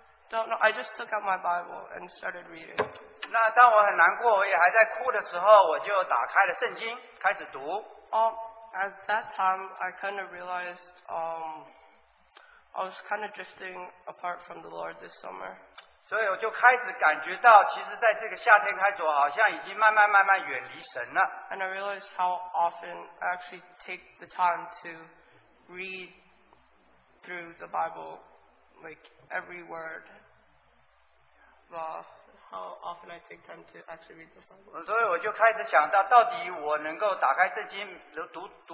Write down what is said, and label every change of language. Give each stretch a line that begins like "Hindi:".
English: don't know. I just took out my Bible and started reading.
Chinese: 那当我很难过，我也还在哭的时候，我就打开了圣经，开始读。
English: At that time, I kind of realized I was kind of drifting apart from the Lord this summer.
Chinese: 所以我就开始感觉到，其实在这个夏天开始，我好像已经慢慢慢慢远离神了。
English: And I realized how often I actually take the time to read through the Bible, like every word. How often I take time to actually read the Bible.